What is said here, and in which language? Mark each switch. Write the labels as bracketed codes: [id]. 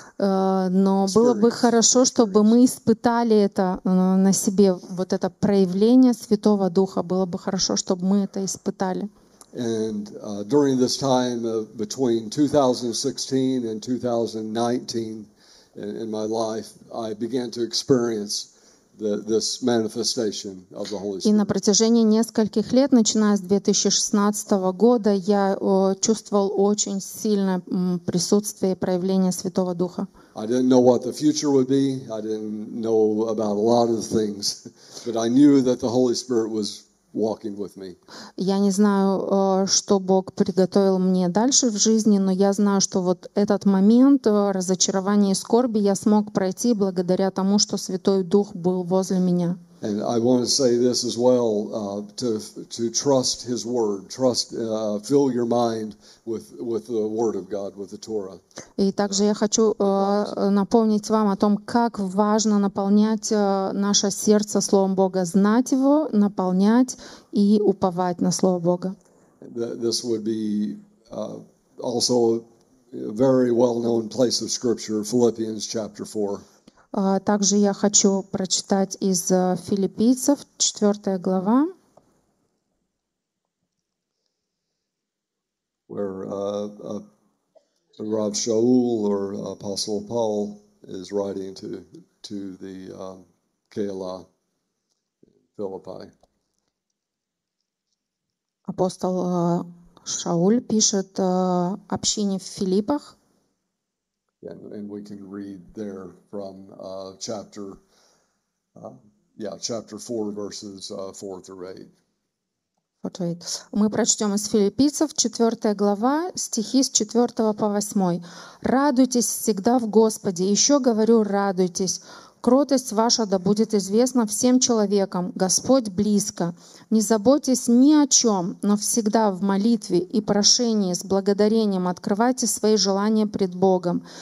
[ru] Но было бы хорошо, чтобы мы испытали это на себе, вот это проявление Святого Духа. Было бы хорошо, чтобы мы это испытали. [en] And during this time of between 2016 and 2019 in my life, I began to experience this manifestation of the Holy Spirit. [ru] И на протяжении нескольких лет, начиная с 2016 года, я чувствовал очень сильное присутствие и проявление Святого Духа. [en] I didn't know what the future would be. I didn't know about a lot of things, but I knew that the Holy Spirit was walking with me. [ru] Я не знаю, что Бог приготовил мне дальше в жизни, но я знаю, что вот этот момент разочарования и скорби я смог пройти благодаря тому, что Святой Дух был возле меня. [en] And I want to say this as well, to trust His Word, trust, fill your mind with the Word of God, with the Torah. [ru] И также я хочу напомнить вам о том, как важно наполнять наше сердце Словом Бога, знать Его, наполнять и уповать на Слово Бога. [en] This would be also a very well-known place of Scripture, Philippians chapter 4. [ru] Также я хочу прочитать из Филиппийцев, 4 глава. [en] Where Rav Shaul or Apostle Paul is writing to the Keilah Philippi. [ru] Апостол Шауль пишет общине в Филиппах. [en] And we can read there from chapter 4, verses 4 through 8. [ru] Мы прочтем из Филиппийцев 4 глава, стихи с 4 по 8. «Радуйтесь всегда в Господе, еще говорю, радуйтесь. Кротость ваша да будет известна всем человекам. Господь близко. Не заботьтесь ни о чем, но всегда в молитве и прошении с благодарением открывайте свои желания пред Богом.